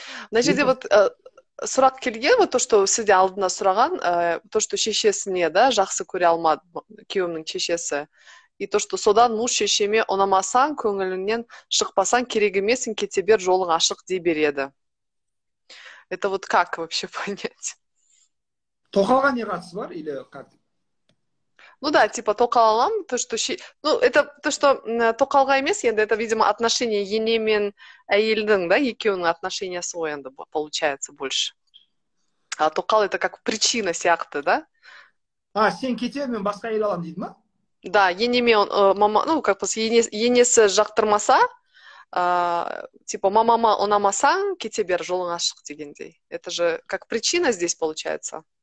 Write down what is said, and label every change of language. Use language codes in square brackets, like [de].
[kk] На жерде вот сұрақ келген, [ru] вот то, что [kk] сізде алдына сұраған, то, что шешесіне, да, жақсы көре алмады күйеуімнің шешесі. [ru] И то, что [kk] содан муж шешеме ұнамасаң, көңіліңнен шықпасаң, керек емесін, кете бер, жолың ашық дей береді. [ru] Это вот как вообще понять? [kk] Тоқалға не қатысы бар, [ru] или как? Ну да, типа [kk] тоқал алам, [ru] то, что ну, это то, что [kk] тоқалға емес, енді [ru] это, видимо, отношение [kk] ене мен әйелдің, [ru] да, [kk] екеуінің отношениесі ғой, енді [ru] получается больше. А тоқал это как причина сияқты, да? [kk] А, сен кете, мен басқа әйел алам дейді ма? Да, енеме, мама, [ru] ну, как бы, [kk] енесі жақтырмаса, типа, мамама ұнамасаң, кете бер, жолың ашық дегендей. [ru] Это же как причина здесь получается.